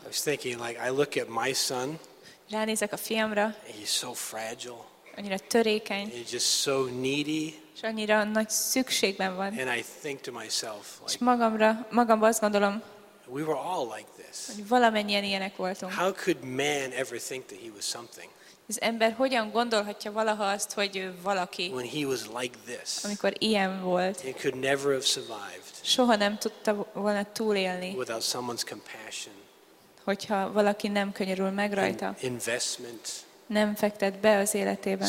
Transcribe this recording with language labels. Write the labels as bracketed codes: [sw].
[en] I was thinking, like, I look at my son. [hu] Ránézek a fiamra. [en] He's so fragile. [hu] Annyira törékeny. [en] He's just so needy. [hu] És annyira nagy szükségben van. [en] And I think to myself, like, [hu] és magamban azt gondolom. [en] We were all like this. [hu] Valamennyien ilyenek voltunk. [en] How could man ever think that he was something? [hu] Az ember hogyan gondolhatja valaha azt, hogy ő valaki? [en] When he was like this. [hu] Amikor ilyen volt. [en] He could never have survived. [hu] Soha nem tudta volna túlélni. [en] Without someone's compassion. [hu] Hogyha valaki nem könyörül meg rajta, nem fektet be az életében,